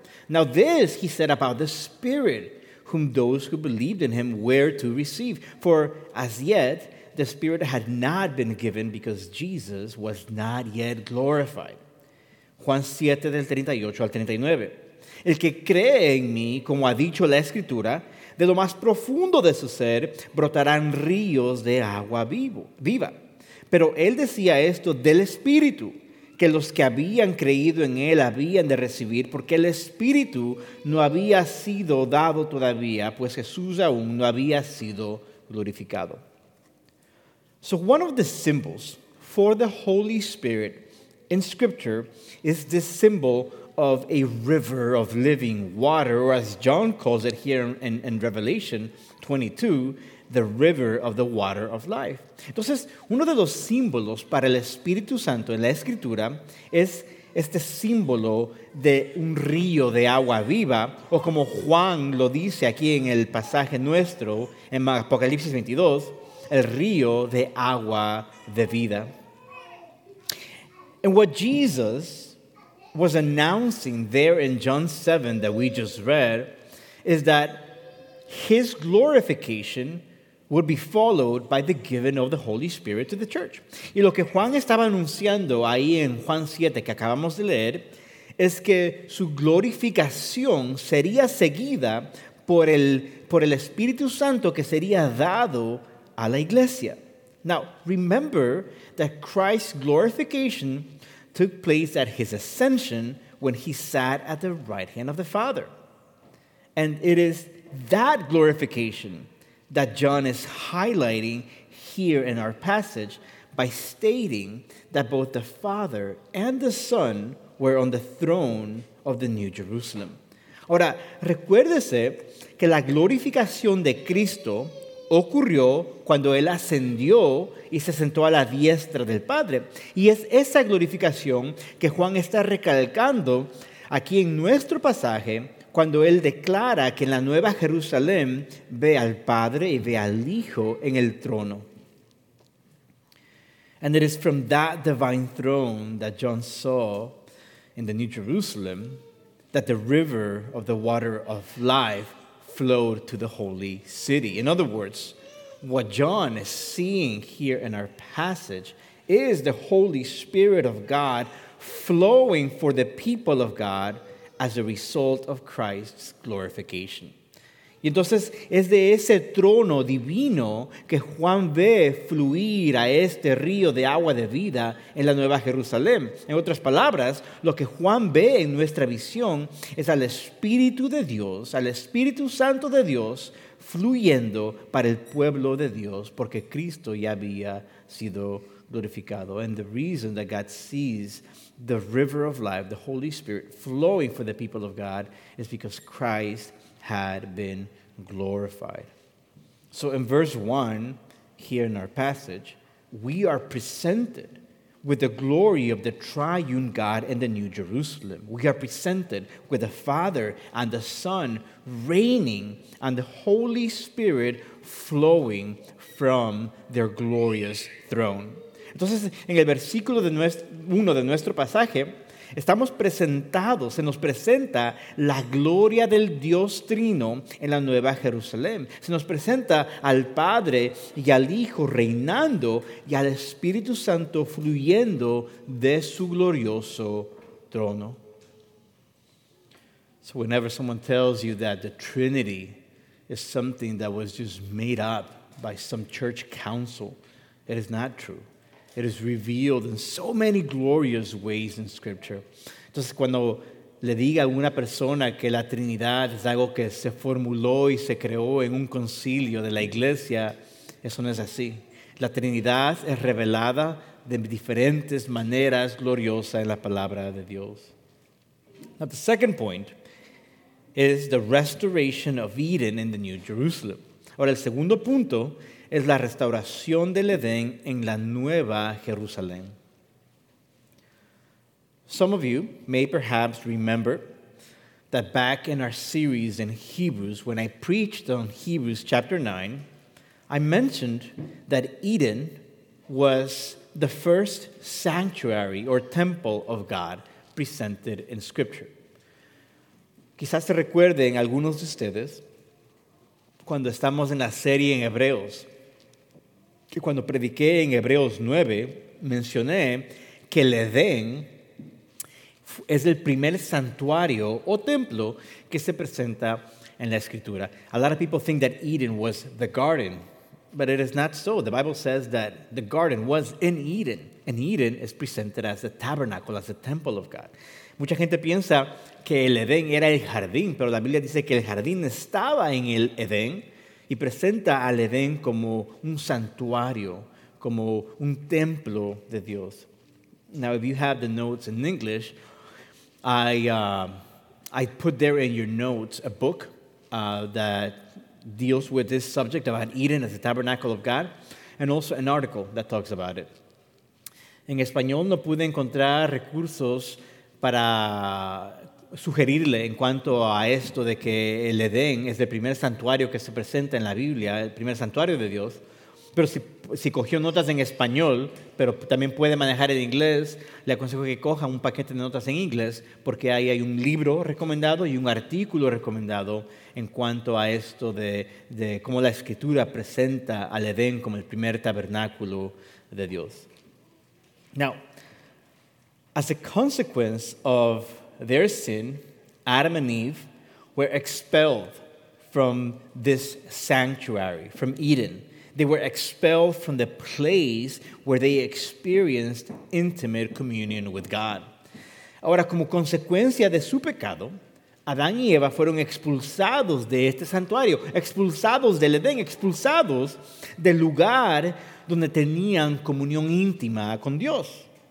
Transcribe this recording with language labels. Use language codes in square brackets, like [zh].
[en] Now this he said about the Spirit, whom those who believed in him were to receive. For as yet, the Spirit had not been given because Jesus was not yet glorified. [es] Juan 7, del 38 al 39. El que cree en mí, como ha dicho la Escritura, de lo más profundo de su ser brotarán ríos de agua viva. Pero él decía esto del Espíritu, que los que habían creído en él habían de recibir, porque el Espíritu no había sido dado todavía, pues Jesús aún no había sido glorificado. [en] So one of the symbols for the Holy Spirit in Scripture is this symbol of a river of living water, or as John calls it here in Revelation 22, the river of the water of life. [es] Entonces, uno de los símbolos para el Espíritu Santo en la Escritura es este símbolo de un río de agua viva, o como Juan lo dice aquí en el pasaje nuestro, en Apocalipsis 22, el río de agua de vida. [en] And what Jesus was announcing there in John 7 that we just read is that his glorification would be followed by the giving of the Holy Spirit to the church. [es] Y lo que Juan estaba anunciando ahí en Juan 7 que acabamos de leer es que su glorificación sería seguida por el Espíritu Santo que sería dado a la iglesia. [en] Now, remember that Christ's glorification took place at his ascension when he sat at the right hand of the Father. And it is that glorification that John is highlighting here in our passage by stating that both the Father and the Son were on the throne of the New Jerusalem. [es] Ahora, recuérdese que la glorificación de Cristo ocurrió cuando él ascendió y se sentó a la diestra del Padre. Y es esa glorificación que Juan está recalcando aquí en nuestro pasaje cuando él declara que en la Nueva Jerusalén ve al Padre y ve al Hijo en el trono. [en] And it is from that divine throne that John saw in the New Jerusalem that the river of the water of life flowed to the holy city. In other words, what John is seeing here in our passage is the Holy Spirit of God flowing for the people of God as a result of Christ's glorification. [es] Y entonces es de ese trono divino que Juan ve fluir a este río de agua de vida en la Nueva Jerusalén. En otras palabras, lo que Juan ve en nuestra visión es al Espíritu de Dios, al Espíritu Santo de Dios, fluyendo para el pueblo de Dios, porque Cristo ya había sido glorificado. [en] And the reason that God sees the river of life, the Holy Spirit, flowing for the people of God is because Christ had been glorified. So in verse 1, here in our passage, we are presented with the glory of the triune God in the New Jerusalem. We are presented with the Father and the Son reigning and the Holy Spirit flowing from their glorious throne. [es] Entonces, en el versículo 1 de nuestro pasaje, estamos presentados, se nos presenta la gloria del Dios trino en la Nueva Jerusalén. Se nos presenta al Padre y al Hijo reinando y al Espíritu Santo fluyendo de su glorioso trono. [en] So whenever someone tells you that the Trinity is something that was just made up by some church council, it is not true. It is revealed in so many glorious ways in Scripture. [es] Entonces, cuando le diga a una persona que la Trinidad es algo que se formuló y se creó en un concilio de la iglesia, eso no es así. La Trinidad es revelada de diferentes maneras gloriosas en la palabra de Dios. [en] Now, the second point is the restoration of Eden in the New Jerusalem. [es] Ahora, el segundo punto es la restauración del Edén en la Nueva Jerusalén. [en] Some of you may perhaps remember that back in our series in Hebrews, when I preached on Hebrews chapter 9, I mentioned that Eden was the first sanctuary or temple of God presented in Scripture. [es] Quizás se recuerden algunos de ustedes cuando estamos en la serie en Hebreos, que cuando prediqué en Hebreos 9, mencioné que el Edén es el primer santuario o templo que se presenta en la Escritura. [en] A lot of people think that Eden was the garden, but it is not so. The Bible says that the garden was in Eden, and Eden is presented as the tabernacle, as the temple of God. [es] Mucha gente piensa que el Edén era el jardín, pero la Biblia dice que el jardín estaba en el Edén, y presenta al Edén como un santuario, como un templo de Dios. [en] Now, if you have the notes in English, I put there in your notes a book that deals with this subject about Eden as the tabernacle of God, and also an article that talks about it. [es] En español no pude encontrar recursos para sugerirle en cuanto a esto de que el Edén es el primer santuario que se presenta en la Biblia, el primer santuario de Dios. Pero si cogió notas en español, pero también puede manejar el inglés, le aconsejo que coja un paquete de notas en inglés, porque ahí hay un libro recomendado y un artículo recomendado en cuanto a esto de cómo la Escritura presenta al Edén como el primer tabernáculo de Dios. [en] Now, as a consequence of their sin, Adam and Eve were expelled from this sanctuary, from Eden. They were expelled from the place where they experienced intimate communion with God. [es] Ahora, como consecuencia de su pecado, Adán y Eva fueron expulsados de este santuario, expulsados del Edén, expulsados del lugar donde tenían comunión íntima con Dios.